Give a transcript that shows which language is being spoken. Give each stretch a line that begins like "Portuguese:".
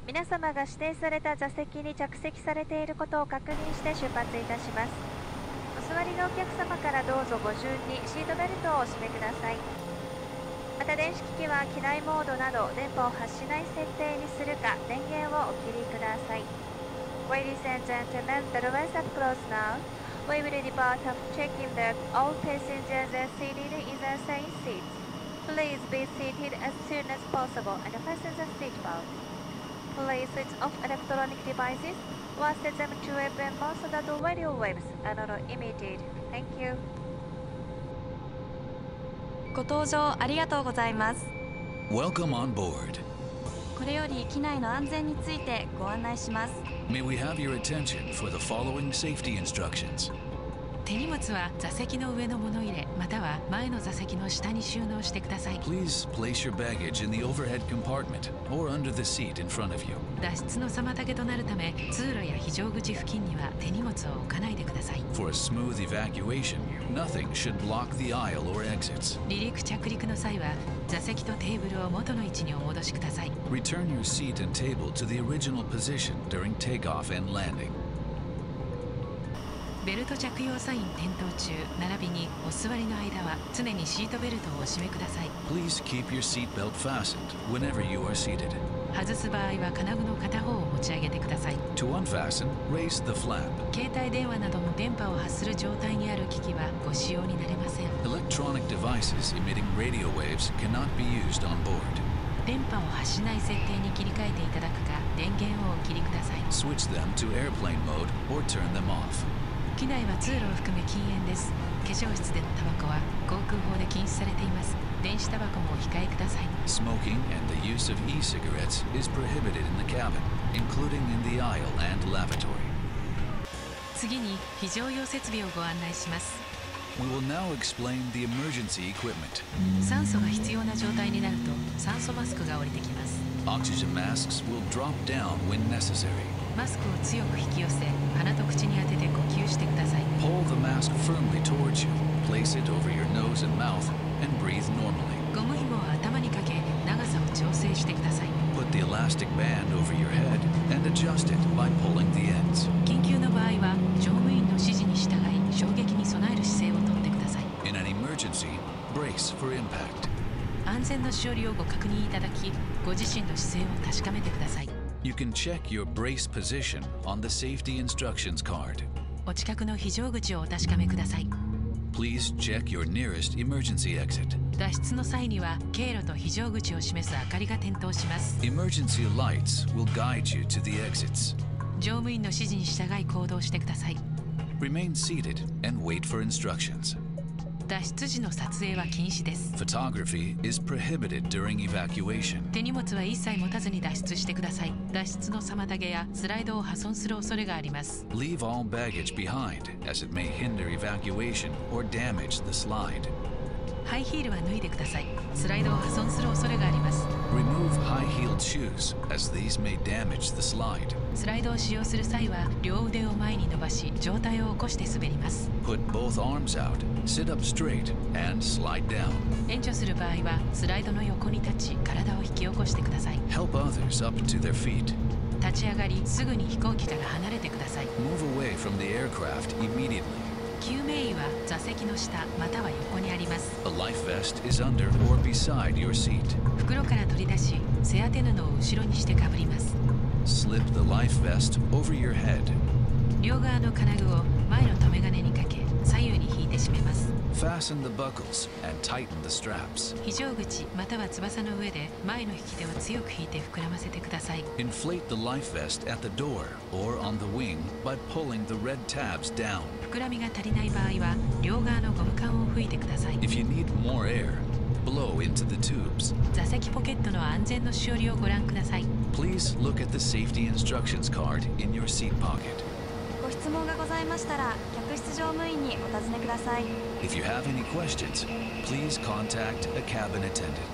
Japanese: 皆様が指定された座席に着席されていることを確認して出発いたします。お座りのお客様からどうぞご順にシートベルトをお締めください。また電子機器は機内モードなど電波を発しない設定にするか電源をお切りください。
English: Ladies and gentlemen, the doors are closed nowWe will depart after checking that all passengers are seated in the assigned seats. Please be seated as soon as possible and fasten the seat belt. Please switch off electronic devices or set them to airplane mode so that radio waves are not emitted. Thank you.
Japanese: ご搭乗ありがとうございます。
English: Welcome on board.
Japanese: これより機内の安全についてご案内します。
English: May we have your attention for the following safety instructions.
Japanese: 手荷物は座席の上の物入れまたは前の座席の下に収納してください。
English: Please place your baggage in the overhead compartment or under the seat in front of you.
Japanese: 脱出の妨げとなるため通路や非常口付近には手荷物を置かないでください。
English: For a smooth evacuation, nothing should block the aisle or exits.
Japanese: 離陸着陸の際は座席とテーブルを元の位置にお戻しください。
English: Return your seat and table to the original position during takeoff and landing.
Japanese: ベルト着用サイン点灯中並びにお座りの間は常にシートベルトをお締めください。
English: Please keep your seat belt fastened whenever you are seated.
Japanese: 外す場合は金具の片方を持ち上げてください。
English: To unfasten, raise the flap.
Japanese: 携帯電話などの電波を発する状態にある機器はご使用になれません。
English: Electronic devices emitting radio waves cannot be used on board.
Japanese: 電波を発しない設定に切り替えていただくか電源をお切りください。
English: Switch them to airplane mode or turn them off.
Japanese: 機内は通路を含め禁煙です。化粧室でのタバコは航空法で禁止されています。電子タバコもお控えください。
English: Smoking and the use of e-cigarettes is prohibited in the cabin, including in the aisle and lavatory.
Japanese: 次に非常用設備をご案内します。
English: We will now explain the emergency equipment.
Japanese: 酸素が必要な状態になると酸素マスクが降りてきます。
English: Oxygen masks will drop down when necessary.
Japanese: マスクを強く引き寄せ、鼻と口に当てて呼吸してください。
English: Pull the mask firmly towards you. Place it over your nose and mouth. And breathe normally.
Japanese: ゴム紐を頭にかけ、長さを調整してください。
English: Put the elastic band over your head and adjust it by pulling the ends.
Japanese: 緊急の場合は、乗務員の指示に従い、衝撃に備える姿勢をとってください。
English: In an emergency, brace for impact.
Japanese: 安全のしおりをご確認いただき、ご自身の姿勢を確かめてください。
English: You can check your brace position on the safety instructions card.
Japanese: お近くの非常口をお確かめください。
English: Please check your nearest emergency exit.
Japanese: 脱出の際には経路と非常口を示す明かりが点灯します。
English: Emergency lights will guide you to the exits.
Japanese: 乗務員の指示に従い行動してください。
English: Remain seated and wait for instructions.
Japanese: 脱出時の撮影は禁止です。
English: Photography is prohibited during evacuation.
Japanese: 手荷物は一切持たずに脱出してください。脱出の妨げやスライドを破損する恐れがあります。
English: Leave all baggage behind, as it may hinder evacuation or damage the slide.
Japanese: ハイヒールは脱いでください。スライドを破損する恐れがあります。
English: Remove high-heeled shoes, as these may damage the slide.
Japanese: スライドを使用する際は、両腕を前に伸ばし、上体を起こして滑ります。
English: Put both arms out, sit up straight, and slide down.
Japanese: 援助する場合は、スライドの横に立ち、体を引き起こしてください。
English: Help others up to their feet.
Japanese: 立ち上がり、すぐに飛行機から離れてください。
English: Move away from the aircraft immediately.
Japanese: 機救命衣は座席の下または横にあります。
English: A life vest is under or beside your seat.
Japanese: 袋から取り出し背当て布を後ろにしてかぶります。
English: Slip the life vest over your head.
Japanese: 両側の金具を前の留め金にかけ左右に引いて締めます。
English: Fasten the buckles and tighten the straps.
Japanese: 非常口または翼の上で前の引き手を強く引いて膨らませてください。
English: Inflate the life vest at the door or on the wing by pulling the red tabs down.
Japanese: 膨らみが足りない場合は両側のゴム管を吹いてください。
English: If you need more air, blow into the tubes.
Japanese: 座席ポケットの安全のしおりをご覧ください。
English: Please look at the safety instructions card in your seat pocket.
Japanese: 質問がございましたら、客室乗務員にお尋ねください。
English: If you have any questions, please contact a cabin attendant.